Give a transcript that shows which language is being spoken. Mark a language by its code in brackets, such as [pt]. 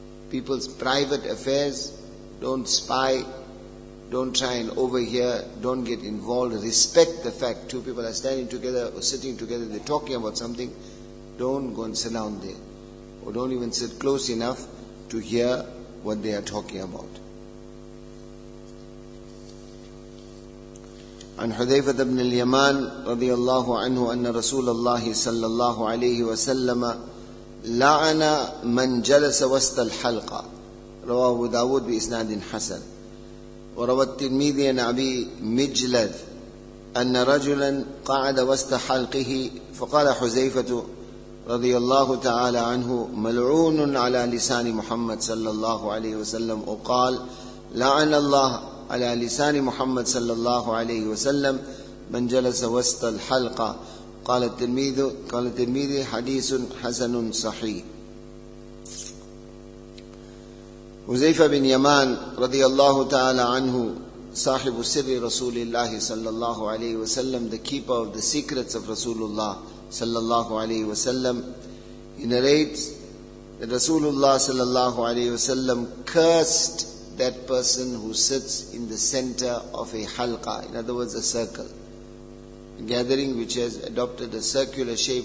[en] People's private affairs, don't spy, don't try and overhear, don't get involved. Respect the fact two people are standing together or sitting together, they're talking about something. Don't go and sit down there. Or don't even sit close enough to hear what they are talking about. [ar] عن حذيفة بن اليمان رضي الله عنه أن رسول الله صلى الله عليه وسلم لعن من جلس وسط الحلقة رواه أبو داود بإسناد حسن وروى الترمذي عن أبي مجلد أن رجلا قعد وسط حلقه فقال حذيفة رضي الله تعالى عنه ملعون على لسان محمد صلى الله عليه وسلم وقال لعن الله على لسان محمد صلى الله عليه وسلم من جلس وسط الحلقة قال الترمذي حديث حسن صحيح. حذيفة بن يمان رضي الله تعالى عنه صاحب سر رسول الله صلى الله عليه وسلم, [en] the keeper of the secrets of Rasulullah صلى الله عليه وسلم, he narrates that Rasulullah صلى الله عليه وسلم cursed that person who sits in the center of a halqa, in other words, a circle, a gathering which has adopted a circular shape.